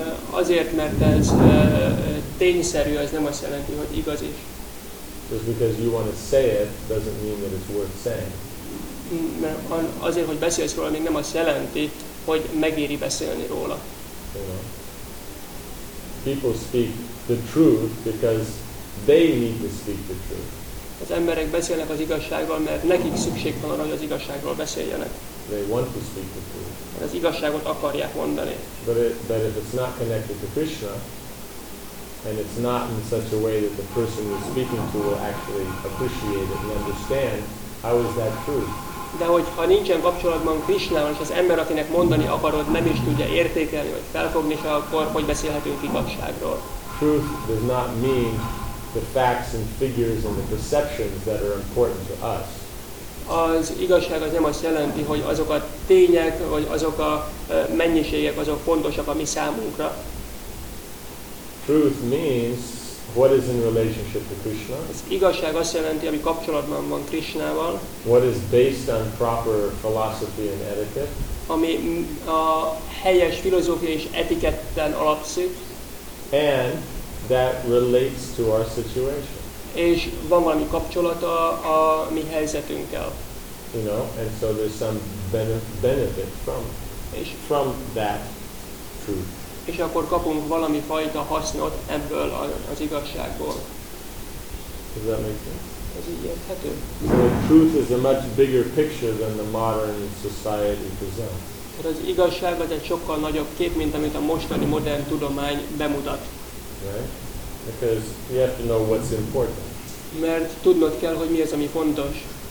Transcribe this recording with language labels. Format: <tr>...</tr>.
<hu>Azért, mert ez tényszerű, az nem azt jelenti, hogy igaz is.</hu> <en>Just because you want to say it doesn't mean that it's worth saying.</en> <hu>Azért, hogy beszélsz róla, nem azt jelenti, hogy megéri beszélni róla.</hu> <en>You know, people speak the truth because they need to speak the truth.</en> <hu>Az emberek beszélnek az igazságról, mert nekik szükség van arra, hogy az igazságról beszéljenek.</hu> <en>They want to speak the truth.</en> <hu>Az igazságot akarják mondani.</hu> <en>But if it's not connected to Krishna, and it's not in such a way that the person you're speaking to will actually appreciate it and understand, how is that true?</en> <hu>De hogyha nincsen kapcsolatban Krishnával, és az ember, akinek mondani akarod, nem is tudja értékelni, vagy felfogni, akkor hogy beszélhetünk igazságról?</hu> <en>Truth does not mean the facts and figures and the perceptions that are important to us.</en> <hu>Az igazság az nem azt jelenti, hogy azok a tények, vagy azok a mennyiségek, azok fontosak a mi számunkra.</hu> <en>Truth means what is in relationship to Krishna.</en> <hu>Az igazság azt jelenti, ami kapcsolatban van Krishnával.</hu> <en>What is based on proper philosophy and etiquette.</en> <hu>Ami a helyes filozófia és etiketten alapszik.</hu> <en>And that relates to our situation.</en> <hu>És van valami kapcsolata a mi helyzetünkkel.</hu> <en>You know, and so there's some benefit from that truth.</en> <hu>És akkor kapunk valami fajta hasznot ebből az igazságból.</hu> <en>Does that make sense?</en> <hu>Ez így érthető.</hu> <en>So the truth is a much bigger picture than the modern society presents.</en> <hu>Tehát az igazság az egy sokkal nagyobb kép, mint amit a mostani modern tudomány bemutat.</hu> <en>Right. Because you have to know what's important.</en> <hu>Mert tudnod kell, hogy mi az, ami fontos.</hu>